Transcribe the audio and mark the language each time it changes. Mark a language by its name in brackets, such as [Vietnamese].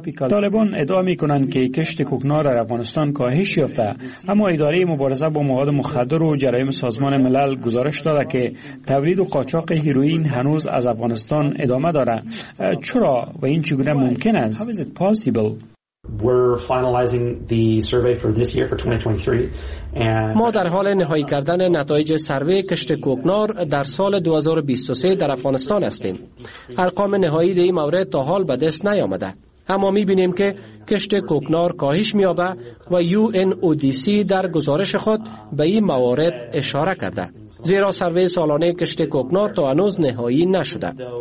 [Persian] طالبان ادعا می کنند که کشت کوکنار در افغانستان کاهش یافته، اما اداره مبارزه با مواد مخدر و جرایم سازمان ملل گزارش داده که تولید و قاچاق هیروئین هنوز از افغانستان ادامه دارد. چرا و این چگونه ممکن است؟ [English] How is it possible? We're finalizing the survey for this year for 2023 [Persian] and ما در حال نهایی کردن نتایج سروی کشت کوکنار در سال 2023 در افغانستان هستیم. ارقام نهایی در این مورد تا حال به دست نیامده، اما می‌بینیم که کشت کوکنار کاهش می‌یابد و UNODC در گزارش خود به این موارد اشاره کرده، زیرا سروی سالانه کشت کوکنار تا هنوز نهایی نشده.